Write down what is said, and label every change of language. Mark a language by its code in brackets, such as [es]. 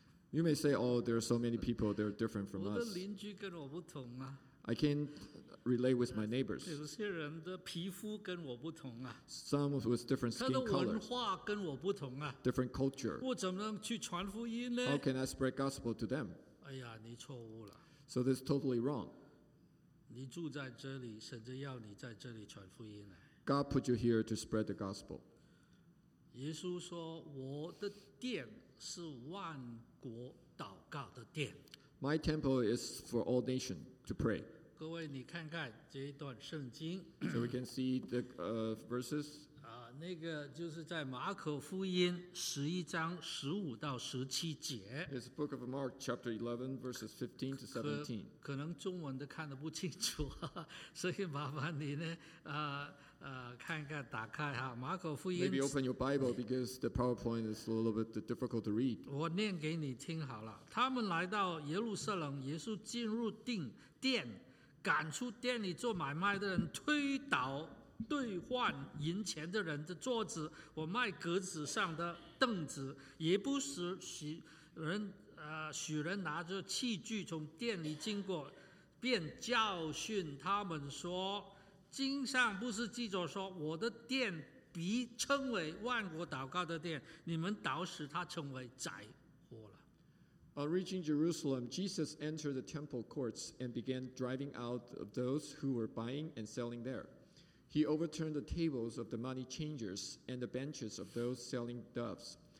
[en] You may say, oh, there are so many people, they're different from us. [zh] 我的邻居跟我不同啊。 [en] I can't relate with my neighbors. [zh] 有些人的皮肤跟我不同啊。 [en] Some with different skin colors. [zh] 他的文化跟我不同啊。 [en] Different culture. [zh] 我怎么能去传福音呢？ [en] How can I spread gospel to them? [zh] 哎呀，你错误了。 [en] So this is totally wrong. [zh] 你住在这里，神就要你在这里传福音来。 [en] God put you here to spread the gospel. [zh] 耶稣说，我的殿是万国祷告的殿。 [en] My temple is for all nations to pray. [zh] 各位，你看看这一段圣经。 [en] So we can see the verses. [zh] 那个就是在马可福音十一章十五到十七节。 [en] It's the book of Mark, chapter 11, verses 15 to 17. [zh] 可能中文都看得不清楚，所以麻烦你呢，看一看，打开哈，马可福音。 [en] Maybe open your Bible because the PowerPoint is a little bit difficult to read. [zh] 我念给你听好了。他们来到耶路撒冷，耶稣进入店，赶出店里做买卖的人，推倒。兑换银钱的人的桌子，我卖格子上的凳子，也不使许人拿着器具从店里经过，便教训他们说：经上不是记着说，我的店必称为万国祷告的店，你们倒使它成为宰货了。 [en] Reaching Jerusalem, Jesus entered the temple courts and began driving out of those who were buying and selling there. He overturned the tables of the money changers and the benches of those selling doves.